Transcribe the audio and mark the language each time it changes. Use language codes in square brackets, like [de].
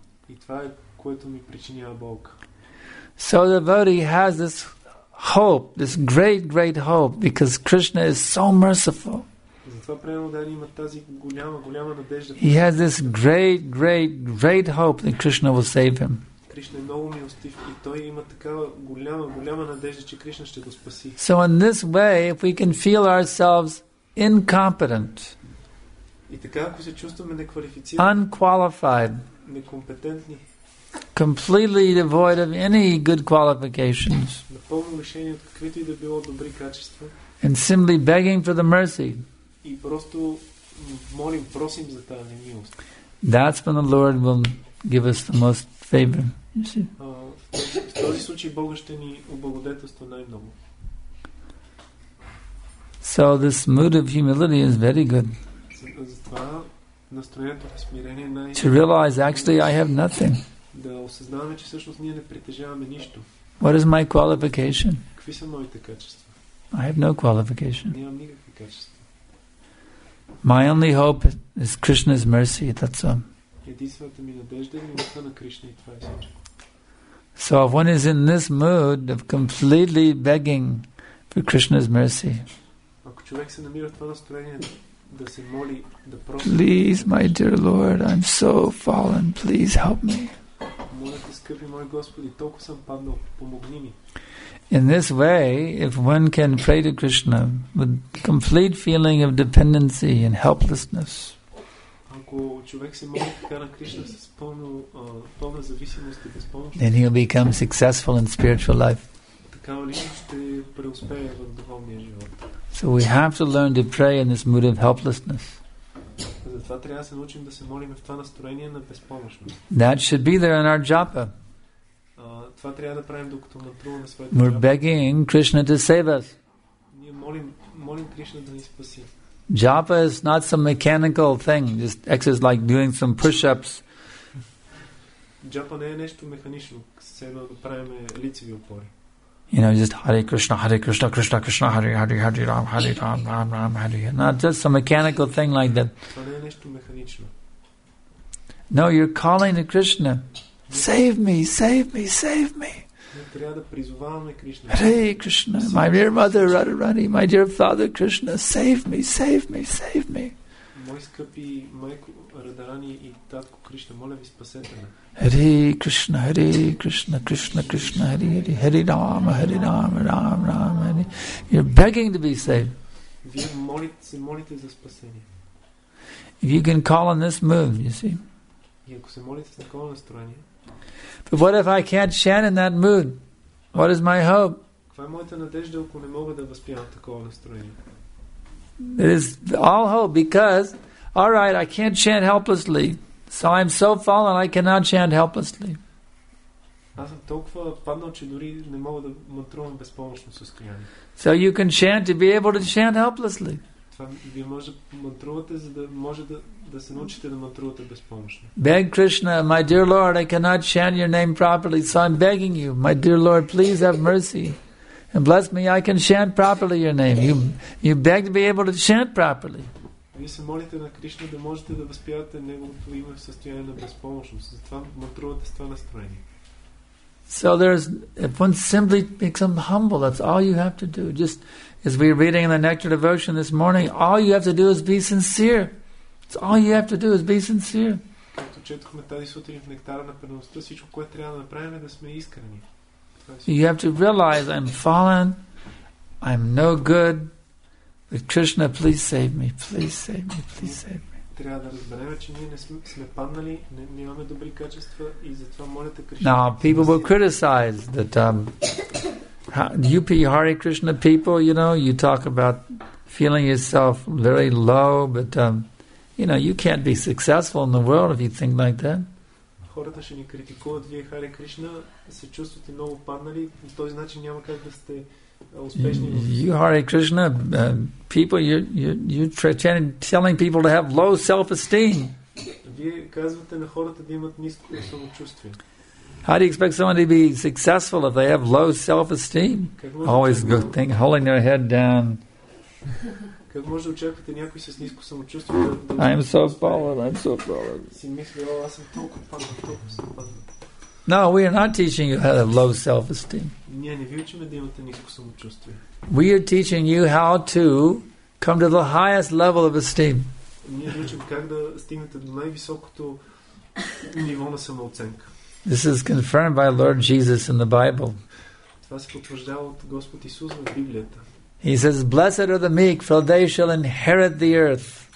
[bg] И това е, което ми причинява болка. [en] So the devotee has this hope, this great, great hope, because Krishna is so merciful. [bg] Затова преданен има тази голяма, голяма надежда. [en] He has this great, great, great hope that Krishna will save him. [bg] Кришна е много милостив и той има такава голяма, голяма надежда, че Кришна ще го спаси. [en] So in this way, if we can feel ourselves incompetent, [bg] и така, ако се чувстваме [en] unqualified, [bg] некомпетентни, [en] completely devoid of any good qualifications. [bg] Напълно лишени от каквито и да било добри качества. [en] And simply begging for the mercy. [bg] И просто молим, просим за тази немилост. [en] That's when the Lord will give us the most favor. You see? [bg] В този случай Бог ще ни облагодетелства най-много. [en] So this mood of humility is very good. [bg] Затова настроението в смирение най- [en] To realize actually I have nothing. [bg] Да осъзнаваме, че всъщност ние не притежаваме нищо. [en] What is my qualification? [bg] Какви са моите качества? [en] I have no qualification. [bg] Нямам никакви качества. [en] My only hope is Krishna's mercy, that's all. [bg] Единствената ми надежда е милостта на Кришна и това е всичко. [en] So if one is in this mood of completely begging for Krishna's mercy. [bg] Ако човек се намира в това настроение да се моли, да проси. [en] Please, my dear Lord, I'm so fallen. Please help me. [bg] Моля те, скъпи мой Господи, толкова съм паднал, помогни ми. [en] In this way, if one can pray to Krishna with complete feeling of dependency and helplessness, [bg] ако човек се моли така на Кришна с пълна зависимост и безпомощност, [en] then he'll become successful in spiritual life. [bg] Такава личност ще преуспее в духовния живот. [en] So we have to learn to pray in this mood of helplessness. [bg] Затова трябва да се научим да се молим в това настроение на безпомощност. [en] That should be there in our japa. [bg] Това трябва да правим, докато мантруваме своята japa. [en] We're begging Krishna to save us. [bg] Ние молим Кришна да ни спаси. [en] Japa is not some mechanical thing, just exercise like doing some push-ups. [bg] Japa не е нещо механично, само да правим лицеви опори. [en] You know, just Hare Krishna, Hare Krishna, Krishna Krishna, Hare Hare, Hare Ram, Hare Ram, Ram Ram, Hare Hare. Not just some mechanical thing like that. [bg] Това не е нещо механично. [en] No, you're calling to Krishna. Save me, save me, save me. [bg] Трябва да призоваваме Кришна. [en] Hey Krishna, my dear mother Radharani, my dear father Krishna, save me, save me, save me. [bg] Мой скъпи майко Радарани и татко Кришна, моля ви спасете ме. [sa] Hare Krishna, Hare Krishna, Krishna Krishna, Hare Hare, Hare Rama, Hare Rama, Rama Rama. [en] You're begging to be saved. [bg] Вие молите за спасение. [en] If you can call on this mood, you see. [bg] И ако се молите с такова настроение. [en] But what if I can't chant in that mood? What is my hope? [bg] Каква е моята надежда, ако не мога да възпявам такова настроение? [en] It is all hope because, all right, I can't chant helplessly. So I'm so fallen, I cannot chant helplessly. [bg] Аз съм толкова паднал, че дори не мога да мантрувам безпомощно състояние. [en] So you can chant to be able to chant helplessly. [bg] Това вие може да мантрувате, за да може да се научите да мантрувате безпомощно. [en] Beg Krishna, my dear Lord, I cannot chant your name properly, so I'm begging you, my dear Lord, please have mercy. And bless me, I can chant properly your name. You beg to be able to chant properly. [bg] Вие се молите на Кришна да можете да възпявате Неговото име в състояние на безпомощност. Затова мантрувате с това настроение. [en] So there's, if one simply becomes humble, that's all you have to do. Just as we're reading in the Nectar Devotion this morning, all you have to do is be sincere. It's all you have to do is be sincere. [bg] Както четохме тази сутрин в Нектара на преносността, всичко, което трябва да направим е да сме искрени. [en] You have to realize, I'm fallen, I'm no good, but Krishna, please save me, please save me, please save me. [bg] Трябва да разбереме, че ние не сме паднали, нямаме добри качества и затова молите Кришна. [en] Now, people will criticize that UP Hare Krishna people, you know, you talk about feeling yourself very low, but you know, you can't be successful in the world if you think like that. [bg] Хората ще ни критикуват, вие Хари Кришна се чувствате много паднали, по този начин няма как да сте успешни. [en] You Hare Krishna people, you're telling people to have low self-esteem. [bg] Вие казвате на хората да имат ниско самочувствие. [en] How do you expect someone to be successful if they have low self-esteem? Always good thing, holding their head down. [bg] Как може да очаквате някой с ниско самочувствие да... [en] I'm so fallen. [bg] Си мисли, о, аз съм толкова паднал, толкова съм паднал. [en] No, we are not teaching you how to have low self-esteem. [bg] Ние не ви учиме да имате ниско самочувствие. [en] We are teaching you how to come to the highest level of esteem. [bg] Ние ви учим как да стигнете до най-високото ниво на самооценка. [en] This is confirmed by Lord Jesus in the Bible. [bg] Това се потвърждава от Господ Исус в Библията. [en] He says, blessed are the meek, for they shall inherit the earth.